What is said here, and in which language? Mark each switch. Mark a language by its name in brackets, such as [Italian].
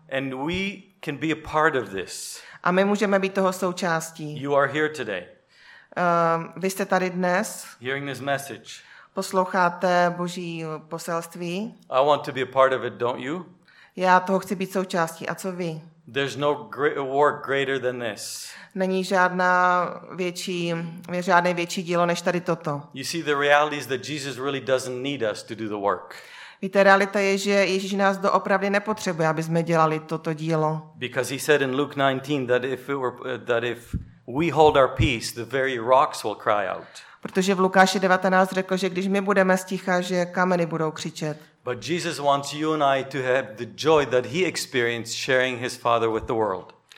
[English] And we can be a part of this. [Czech] A my můžeme být toho součástí. [English] You are here today. [Czech] Vy jste tady dnes. [English] Hearing this message. [Czech] Posloucháte Boží poselství. [English] I want to be a part of it, don't you? [Czech] Já toho chci být součástí. A co vy? [English] There's no work greater than this. [Czech] Není žádné větší dílo než tady toto. [English] You see, the reality is that Jesus really doesn't need us to do the work. [Czech] Víte, realita je, že Ježíš nás doopravdy nepotřebuje, aby jsme dělali toto dílo. [English] Because he said in Luke 19 that if we hold our peace, the very rocks will cry out. [Czech] Protože v Lukáši 19 řekl, že když my budeme sticha, že kameny budou křičet. [English] But Jesus wants you and I to have the joy that he experienced sharing his Father with the world.